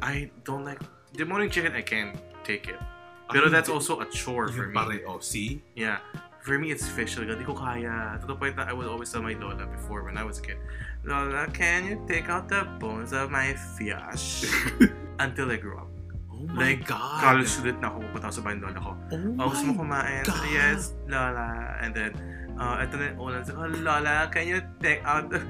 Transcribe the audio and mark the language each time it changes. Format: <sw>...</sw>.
<en>I don't like deboning chicken. I can't take it. But I mean, that's also a chore for me. Oh, see? Yeah, for me it's fish. Like,</en> <tl>di ko kaya.</tl> <en>To the point that I would always tell my daughter before when I was a kid. Lola, can you take out the bones of my fish? Until I grew up. Oh my like, God.</en> <tl>Like, college student na ako, pupunta ko sa bahay ng lola ko.</tl> <en>Oh my</en> <tl>mo kumain.</tl> <en>God. Yes, Lola. And then,</en> <tl>ito na yung ulan.</tl> <en>So, Lola, can you take out the...</en>